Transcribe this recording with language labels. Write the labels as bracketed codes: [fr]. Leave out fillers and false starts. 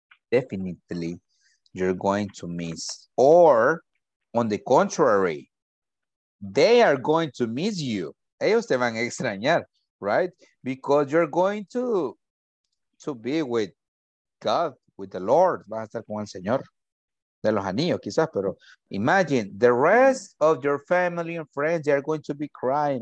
[en] Definitely, you're going to miss. Or, on the contrary, they are going to miss you. [es] Ellos te van a extrañar, [en] right? Because you're going to be with God, with the Lord. [es] Vas a estar con el Señor de los anillos, quizás. [en] Pero imagine, the rest of your family and friends, they are going to be crying.